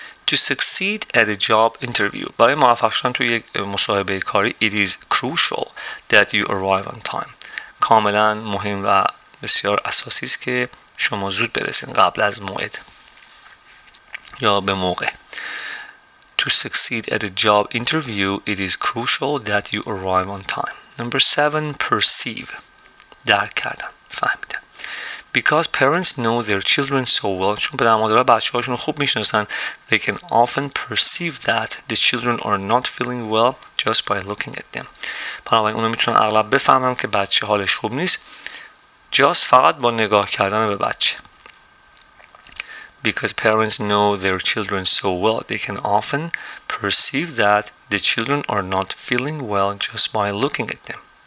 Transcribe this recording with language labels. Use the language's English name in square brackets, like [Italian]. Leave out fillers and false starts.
[English] To succeed at a job interview. [Persian] برای موفق شدن توی یک مصاحبه کاری [English] it is crucial that you arrive on time. [Persian] کاملا مهم و بسیار اساسی است که شما زود برسید قبل از موعد. یا به موقع. [English] To succeed at a job interview it is crucial that you arrive on time. Number 7 perceive. [Persian] درک کردن. فهمیدن. [English] Because parents know their children so well, [Persian] چون پدرمادرها بچه هاشون رو خوب میشناسن, [English] they can often perceive that the children are not feeling well just by looking at them. [Persian] بنابراین اونو میتونن اغلب بفهمم که بچه حالش خوب نیست, just فقط با نگاه کردن به بچه. [English] Because parents know their children so well, they can often perceive that the children are not feeling well just by looking at them.